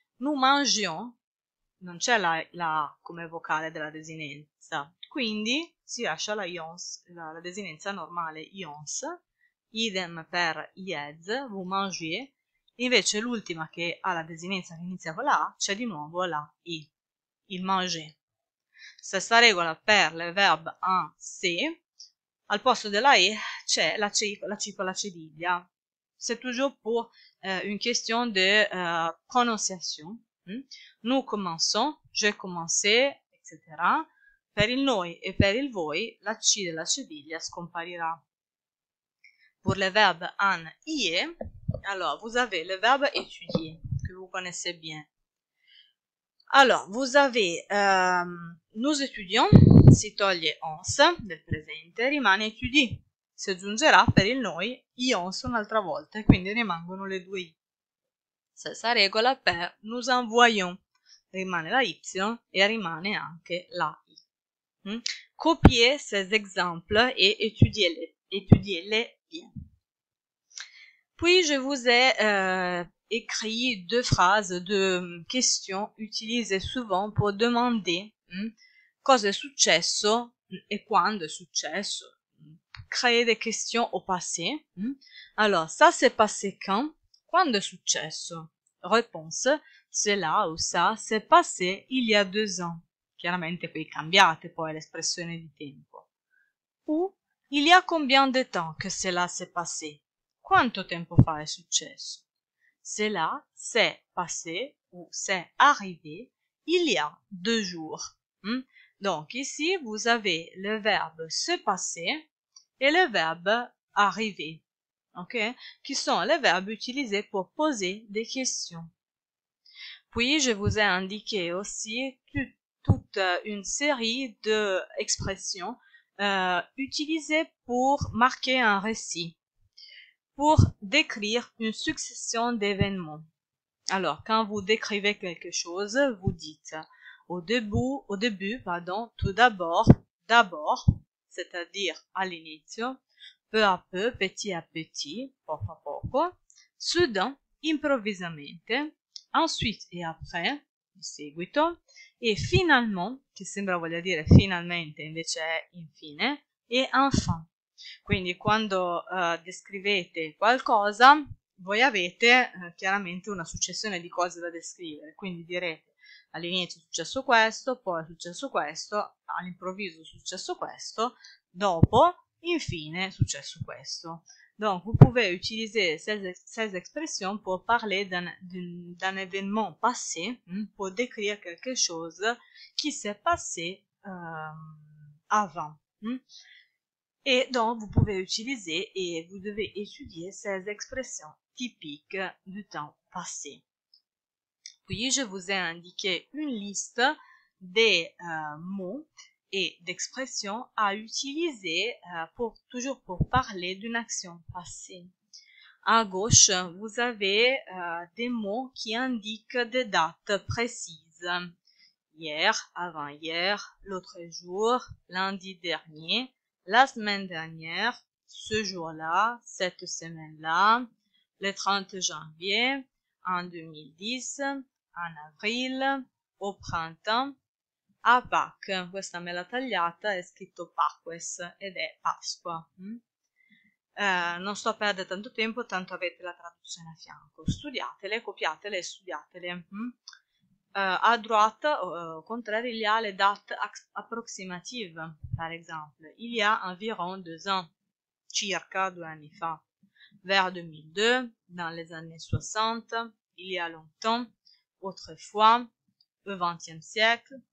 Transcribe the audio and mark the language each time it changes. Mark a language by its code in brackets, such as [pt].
[fr] Nous mangions, [it] non c'è la A come vocale della desinenza, quindi si lascia la ions, la desinenza normale, ions, idem per ieds, [fr] vous mangez. [it] Invece l'ultima che ha la desinenza che inizia con la A, c'è di nuovo la I, il manger. Stessa regola per le verb en, se, al posto della E c'è la cedilla. [fr] C'est toujours pour une question de prononciation. Nous commençons, je commencé, etc. [it] Per il noi e per il voi la C della cedilla scomparirà. [fr] Pour le verb en, ie, alors, vous avez le verbe étudier, que vous connaissez bien. Alors, vous avez nous étudions, [it] si toglie ons del presente, rimane [fr] étudie. [it] Si aggiungerà per il noi ions un'altra volta, quindi rimangono le due i. Stessa regola per nous envoyons, rimane la y e rimane anche la i. [fr] Copiez ces exemples et étudiez-les bien. Puis je vous ai écrit deux phrases de questions utilisées souvent pour demander [it] cosa è successo e quando è successo. [fr] Créer des questions au passé. Alors, ça s'est passé quand? [it] Quando è successo? [fr] Réponse, cela ou ça s'est passé il y a 2 ans. [it] Chiaramente qui cambiate poi l'espressione di tempo. [fr] Ou, il y a combien de temps que cela s'est passé? [it] Quanto tempo fa è successo? [fr] Cela s'est passé ou s'est arrivé il y a 2 jours. Donc ici, vous avez le verbe se passer et le verbe arriver. okay, qui sont les verbes utilisés pour poser des questions. Puis, je vous ai indiqué aussi toute une série d'expressions utilisées pour marquer un récit, pour décrire une succession d'événements. Alors, quand vous décrivez quelque chose, vous dites au début, tout d'abord, d'abord, c'est-à-dire à l'initio, peu à peu, petit à petit, [it] poco a poco, [fr] soudain, [it] improvvisamente, [fr] ensuite et après, [it] di seguito, e finalmente, che sembra voglia dire finalmente, invece è infine, e [fr] enfin. Quindi quando descrivete qualcosa, voi avete chiaramente una successione di cose da descrivere. Quindi direte all'inizio è successo questo, poi è successo questo, all'improvviso è successo questo, dopo, infine, è successo questo. Donc, vous pouvez utiliser ces expressions pour parler d'un événement passé, pour décrire quelque chose qui s'est passé avant. Et donc, vous pouvez utiliser et vous devez étudier ces expressions typiques du temps passé. Puis, je vous ai indiqué une liste des mots et d'expressions à utiliser pour toujours pour parler d'une action passée. À gauche, vous avez des mots qui indiquent des dates précises. Hier, avant-hier, l'autre jour, lundi dernier, la semaine dernière, ce jour-là, cette semaine-là, le 30 janvier, en 2010, en avril, au printemps. [it] A Pâques, questa me l'ha tagliata, è scritto Pâques ed è Pasqua. Non sto a perdere tanto tempo, tanto avete la traduzione a fianco. Studiatele, copiatele e studiatele. [fr] A droite, au contraire, il y a le date approximative, par exemple. Il y a environ 2 ans, [it] circa 2 anni fa. [fr] Vers 2002, dans les années 60, il y a longtemps, autrefois, au XXe siècle.